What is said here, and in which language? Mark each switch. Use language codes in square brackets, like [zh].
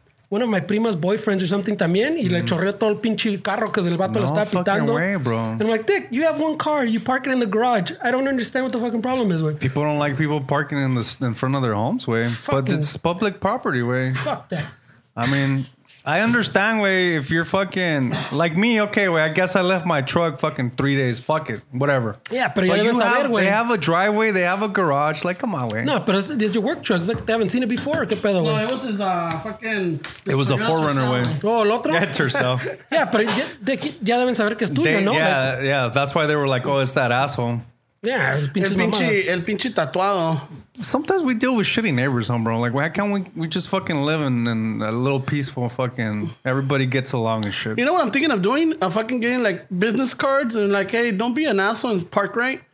[en] one of my prima's boyfriends or something [es] también, y le chorreó todo el pinche carro que el vato le estaba pitando. [en] No fucking way, bro. And I'm like, dick, you have one car, you park it in the garage. I don't understand what the fucking problem is, wey. People don't like people parking in front of their homes, wey. But it's public property, wey. Fuck that. I mean, I understand, wey, if you're fucking, like me, okay, wey, I guess I left my truck fucking 3 days. Fuck it, whatever. [es] Yeah, pero ya debes saber, wey. [en] They have a driveway, they have a garage, like, come on, wey. No, pero it's your work truck. It's like, they haven't seen it before, [es] qué pedo, [en] wey. No, it was his fucking... It was a 4Runner, wey. [es] Oh, el otro? [en] Yeah, Tercel. [es] Yeah, pero ya deben saber que es tuyo, ¿no? [en] Yeah, like, yeah, that's why they were like, oh, it's that asshole. Yeah, [es] el pinche tatuado. [en] Sometimes we deal with shitty neighbors, huh, bro? Like, why can't we just fucking live in a little peaceful fucking... Everybody gets along and shit. You know what I'm thinking of doing? I'm fucking getting, like, business cards and, like, hey, don't be an asshole and park right.